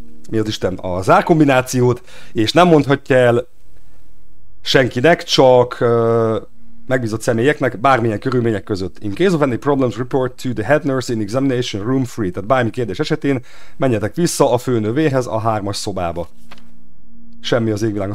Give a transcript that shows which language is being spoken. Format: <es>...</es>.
<hu>mi az Isten, a zárkombinációt, és nem mondhatja el senkinek, csak megbízott személyeknek, bármilyen körülmények között.</hu> <en>In case of any problems, report to the head nurse in examination room 3.</en> <hu>Tehát bármi kérdés esetén, menjetek vissza a főnövéhez a hármas szobába. Semmi az égvilágon.</hu>